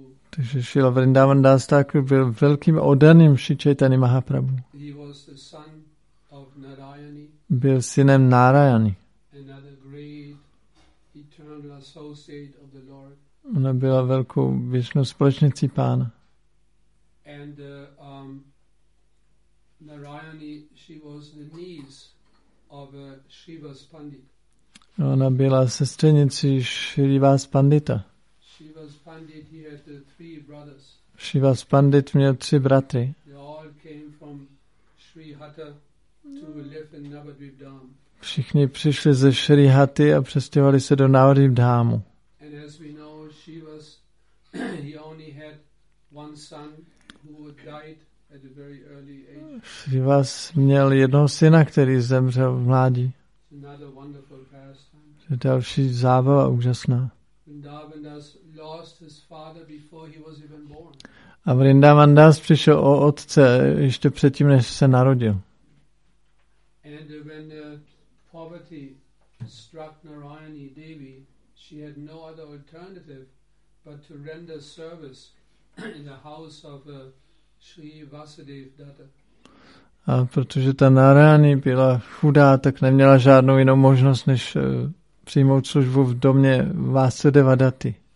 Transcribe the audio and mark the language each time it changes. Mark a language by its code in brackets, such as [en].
[cs] Takže Srila Vrindavan Das Thakur byl velkým oddaným Sri Chaitany Mahaprabhu. [en] He was the son of Narayani. [cs] Byl synem Narayani. [en] Another great eternal associate of the Lord. [cs] Ona byla velkou věčnou společnicí pána. [en] And Narayani, she was the niece of Shiva's pandit. [cs] Ona byla sestřenicí Shrivas Pandita. [en] Shrivas Pandit, he had three brothers. [cs] Shrivas Pandit měl tři bratry. [en] They all came from Srihatta to live in Navadvip Dham. [cs] Všichni přišli ze Srihatty a přestěhovali se do Navadvip Dhamu. [en] And as we know, Shrivas, he only had one son who died at a very early age. [cs] Shrivas měl jednoho syna, který zemřel v mládí. [en] Another wonderful [cs] pastime. Další zábava úžasná. [en] Vrindavan Das lost his father before he was even born. [cs] A Vrindavan Das přišel o otce ještě předtím, než se narodil. [en] And when poverty struck Narayani Devi, she had no other alternative but to render service in the house of Sri Vasudev Datta. [cs] A protože ta Narayani byla chudá, tak neměla žádnou jinou možnost, než přijmout službu v domě Vasudeva Datty.